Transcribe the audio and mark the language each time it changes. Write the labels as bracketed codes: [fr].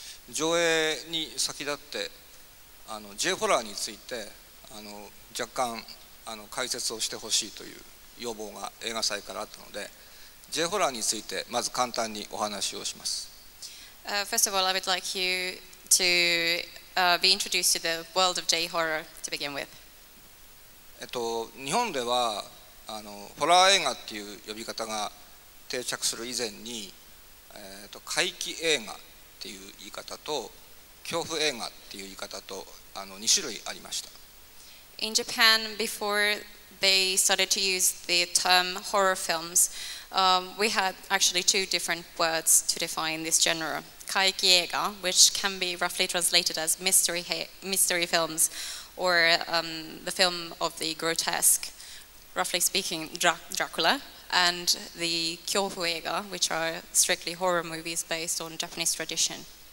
[ja] 上映に先立って、J ホラーについて、若干、解説をしてほしいという要望が映画祭からあったので、J ホラーについてまず簡単にお話をします。 [en] First of all, I would like you to be introduced to the world of J horror to begin with. [ja] 日本ではホラー映画っていう呼び方が定着する以前に、怪奇映画っていう言い方と恐怖映画っていう言い方と2種類ありました。 [en] In Japan, before they started to use the term horror films, we had actually two different words to define this genre. 怪奇映画, which can be roughly translated as mystery films or the film of the grotesque, roughly speaking, Dracula, and the kyofu映画, which are strictly horror movies based on Japanese tradition.